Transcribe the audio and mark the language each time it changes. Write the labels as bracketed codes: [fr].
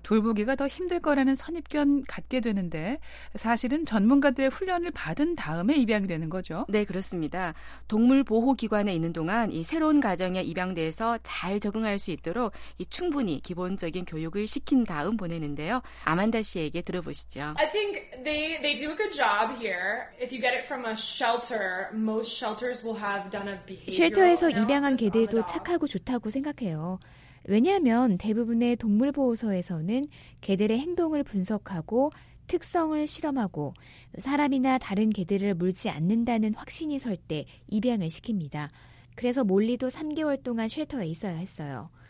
[ko] 돌보기가 더 힘들 거라는 선입견 갖게 되는데 사실은 전문가들의 훈련을 받은 다음에 입양이 되는 거죠. 네, 그렇습니다. 동물보호기관에 있는 동안 이 새로운 가정에 입양돼서 잘 적응할 수 있도록 이 충분히 기본적인 교육을 시킨 다음 보내는데요. 아만다 씨의 들어보시죠. [en] I think they do a good job here. If you get it from a shelter, most shelters will have done a behavioral. [ko] 쉘터에서 입양한 개들도 착하고 좋다고 생각해요. 왜냐하면 대부분의 동물 보호소에서는 개들의 행동을 분석하고 특성을 실험하고 사람이나 다른 개들을 물지 않는다는 확신이 설 때 입양을 시킵니다. 그래서 몰리도 3개월 동안 쉘터에 있어야 했어요.